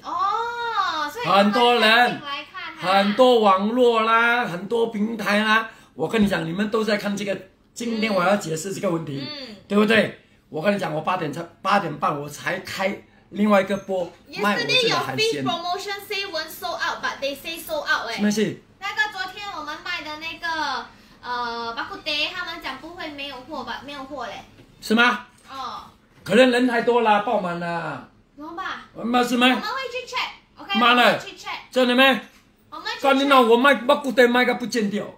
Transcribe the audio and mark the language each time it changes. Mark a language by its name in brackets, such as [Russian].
[Chinese] 哦，所以很多人。很多网络啦，很多平台啦，我跟你讲，你们都在看这个。今天我要解释这个问题，对不对？我跟你讲，我8点半我才开另外一个播卖我这个海鲜。 [English] Yesterday your fish promotion say won't sold out, but they say sold out [Chinese] 什么意思？那个昨天我们卖的那个巴库德，他们讲不会没有货吧？没有货嘞。是吗？哦。可能人太多啦，爆满啦。怎么办？没事没。我们会去 check，OK？妈的，去 check。真的没？干你老！我卖巴古德卖个不见掉，